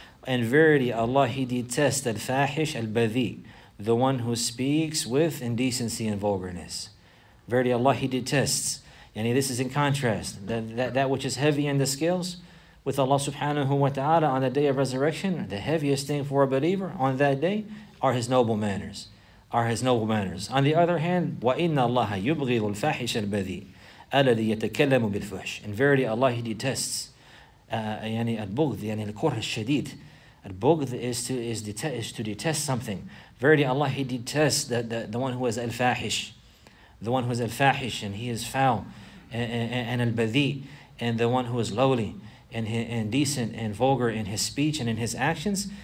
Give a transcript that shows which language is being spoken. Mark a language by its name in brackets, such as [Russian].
[English] And verily, Allah, He detests al-fahish al-badhi, the one who speaks with indecency and vulgarness. Verily, Allah, He detests. And this is in contrast. That which is heavy in the scales with Allah subhanahu wa ta'ala on the day of resurrection, the heaviest thing for a believer on that day are His noble manners. On the other hand, [Arabic] وَإِنَّ اللَّهَ يُبْغِضُ الْفَاحِشَ الْبَذِيءَ الَّذِي يَتَكَلَّمُ بِالْفُحْشِ. [English] In verity, Allah, He detests al-bughd, yani al-kurh al-shadid. Al-bughd is to detest something. Verily, Allah, He detests the one who is al-fahish. The one who is al-fahish, and he is foul, and al-badhi, and the one who is lowly, and decent and vulgar in his speech and in his actions.